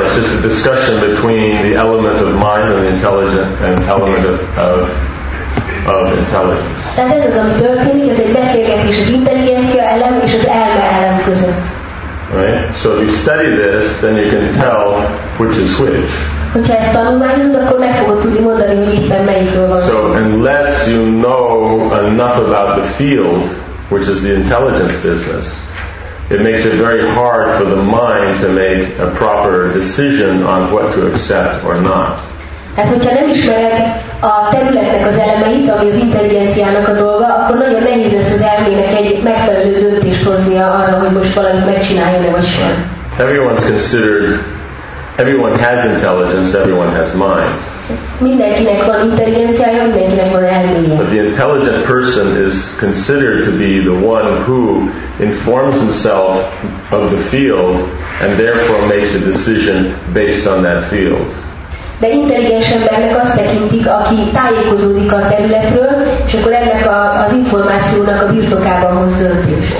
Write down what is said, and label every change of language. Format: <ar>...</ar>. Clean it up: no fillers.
<en>It's just a discussion between the element of mind and the intelligent and element of intelligence.</en> <hu>Tehát ez az, ami történik, ez egy beszélgetés az intelligencia elem és az elme elem között.</hu> <en>Right? So if you study this, then you can tell which is which. So unless you know enough about the field, which is the intelligence business, it makes it very hard for the mind to make a proper decision on what to accept or not.</en> <hu>Tehát, hogyha nem ismered a területnek az elemeit, ami az intelligenciának a dolga, akkor nagyon nehéz lesz az elmének egy megfelelő döntést hoznia arra, hogy most valamit megcsinálja-e vagy sem.</hu> <en>Everyone's considered, everyone has intelligence, everyone has mind.</en> <hu>Mindenkinek van intelligenciája, mindenkinek van elméje.</hu> <en>But the intelligent person is considered to be the one who informs himself of the field and therefore makes a decision based on that field.</en> <hu>De intelligens embernek azt tekintik, aki tájékozódik a területről, és akkor ennek az információnak a birtokában hoz döntést.</hu>